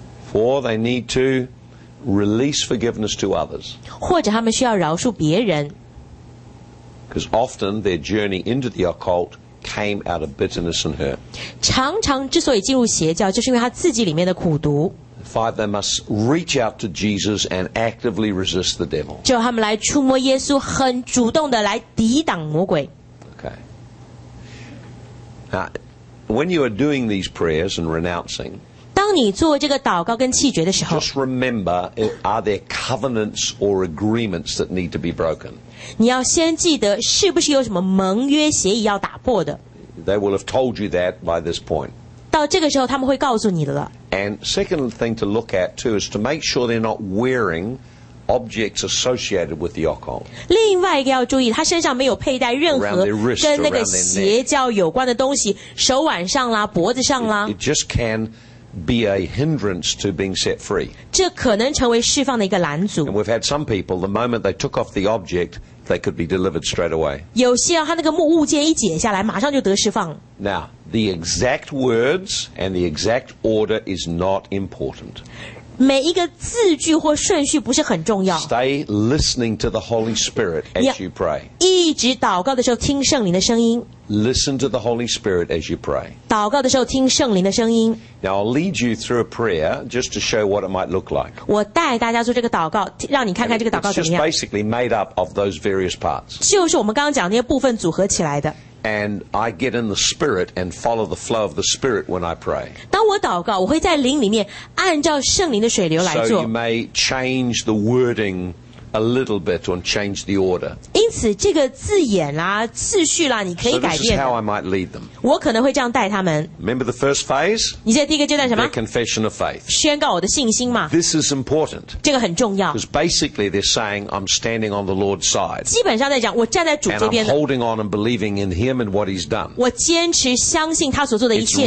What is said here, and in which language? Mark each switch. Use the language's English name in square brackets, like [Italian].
[English] Four, they need to release forgiveness to others. [Chinese] 或者他们需要饶恕别人 [English] Because often their journey into the occult came out of bitterness and hurt. [Chinese] 常常之所以进入邪教，就是因为他自己里面的苦毒。 [English] Five, they must reach out to Jesus and actively resist the devil. [Chinese] 就他们来触摸耶稣，很主动的来抵挡魔鬼。 [English] Okay. Now, when you are doing these prayers and renouncing, [Chinese] 当你做这个祷告跟弃绝的时候， [English] just remember, are there covenants or agreements that need to be broken? [Chinese] 你要先记得是不是有什么盟约协议要打破的。 [English] They will have told you that by this point. [Chinese] 到这个时候他们会告诉你的了。 [English] And second thing to look at too is to make sure they're not wearing objects associated with the occult. [Chinese] 另外一个要注意，他身上没有佩戴任何跟那个邪教有关的东西，手腕上啦，脖子上啦。 [English] It just can be a hindrance to being set free. [Chinese] 这可能成为释放的一个拦阻。 [English] And we've had some people, the moment they took off the object, they could be delivered straight away. [Chinese] 有些人他那个木物件一解下来，马上就得释放。 [English] Now, the exact words and the exact order is not important. [Chinese] 每一个字句或顺序不是很重要。 [English] Stay listening to the Holy Spirit as you pray. [Chinese] 一直祷告的时候听圣灵的声音。 [English] Listen to the Holy Spirit as you pray. [Chinese] 祷告的时候听圣灵的声音。 [English] Now I'll lead you through a prayer just to show what it might look like. [Chinese] 我带大家做这个祷告，让你看看这个祷告怎么样。 [English] It's just basically made up of those various parts. [Chinese] 就是我们刚刚讲的那些部分组合起来的。 [English] And I get in the Spirit and follow the flow of the Spirit when I pray. [Chinese] 当我祷告，我会在灵里面按照圣灵的水流来做。 [English] So you may change the wording. A little bit and change the order. [Chinese] 因此这个字眼啦次序啦你可以改变。 [English] So this is how I might lead them. [Chinese] 我可能会这样带他们。 [English] Remember the first phase? [Chinese] 你在第一个阶段什么? [English] The confession of faith. [Chinese] 宣告我的信心嘛。 [English] This is important. [Chinese] 这个很重要。 [English] Because basically they're saying I'm standing on the Lord's side. [Chinese] 基本上在讲我站在主这边。 [English] And I'm holding on and believing in him and what he's done. [Chinese] 我坚持相信他所做的一切。